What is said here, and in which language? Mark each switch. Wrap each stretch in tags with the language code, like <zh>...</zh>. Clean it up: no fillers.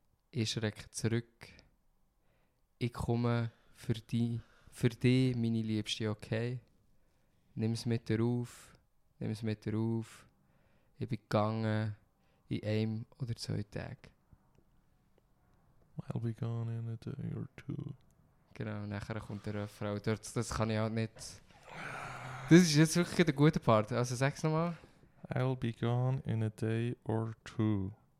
<de>Ich schrecke zurück. Ich komme für dich, meine Liebste, okay? Nimm es mit dir auf. Ich bin gegangen in einem oder zwei Tagen.</de> <en>I'll be gone in a day or two.</en> <de>Genau, nachher kommt der Refrain. Das kann ich auch nicht. Das ist jetzt wirklich der gute Part. Also sag's nochmal.</de> <en>I'll be gone in a day or two.</en>